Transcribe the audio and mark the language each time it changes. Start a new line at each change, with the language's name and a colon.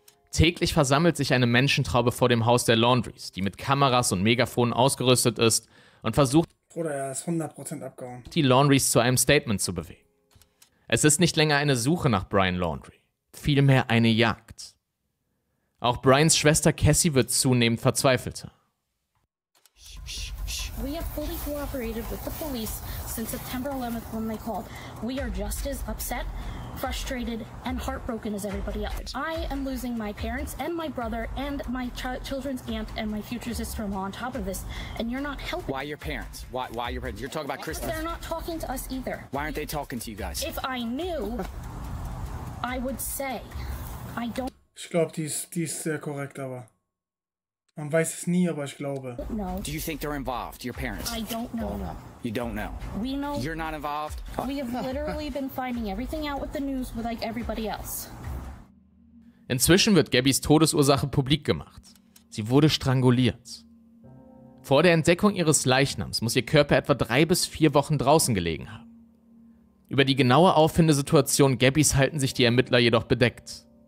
German: Täglich versammelt sich eine Menschentraube vor dem Haus der Laundries, die mit Kameras und Megafonen ausgerüstet ist und versucht, Bruder, er ist 100% abgehauen, die Laundries zu einem Statement zu bewegen. Es ist nicht länger eine Suche nach Brian Laundrie, vielmehr eine Jagd. Auch Brians Schwester Cassie wird zunehmend verzweifelter.
English: We have fully cooperated with the police since September 11th when they called. We are just as upset, frustrated and heartbroken as everybody else. I am losing my parents and my brother and my children's aunt and my future sister-in-law on top of this, and you're not helping. Why your parents? Why your parents? You're talking about Christmas. They're not talking to us either. Why aren't they talking to you guys? If I knew, I would say. I don't.
German: Ich glaube, die ist sehr korrekt, aber Man weiß es nie, aber ich glaube.
English: No. Do you think they're involved, your parents? I don't know. Oh, no. You don't know? We know. You're not involved? We have literally been finding everything out with the news with like everybody else.
German: Inzwischen wird Gabbys Todesursache publik gemacht. Sie wurde stranguliert. Vor der Entdeckung ihres Leichnams muss ihr Körper etwa 3 bis 4 Wochen draußen gelegen haben. Über die genaue Auffindesituation Gabbys halten sich die Ermittler jedoch bedeckt.